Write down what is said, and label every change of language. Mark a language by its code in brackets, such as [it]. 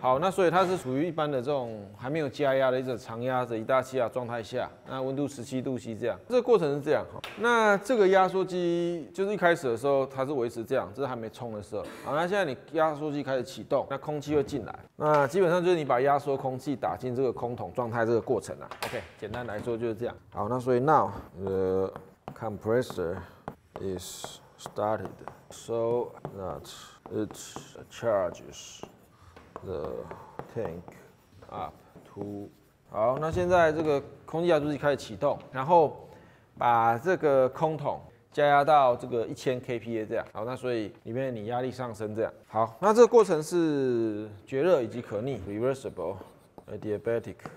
[zh] 好，那所以它是属于一般的这种还没有加压的一种常压的一大气压状态下，那温度17°C 这样。这个过程是这样，那这个压缩机就是一开始的时候它是维持这样，这是还没冲的时候。好，那现在你压缩机开始启动，那空气会进来，那基本上就是你把压缩空气打进这个空桶状态这个过程啦。 OK， 简单来说就是这样。好，那所以 [en] now the compressor is started so that it charges the tank up to。 [zh] 好，那现在这个空气压缩机开始启动，然后把这个空桶加压到这个1000 kPa 这样。好，那所以里面你压力上升这样。好，那这个过程是绝热以及可逆 reversible adiabatic。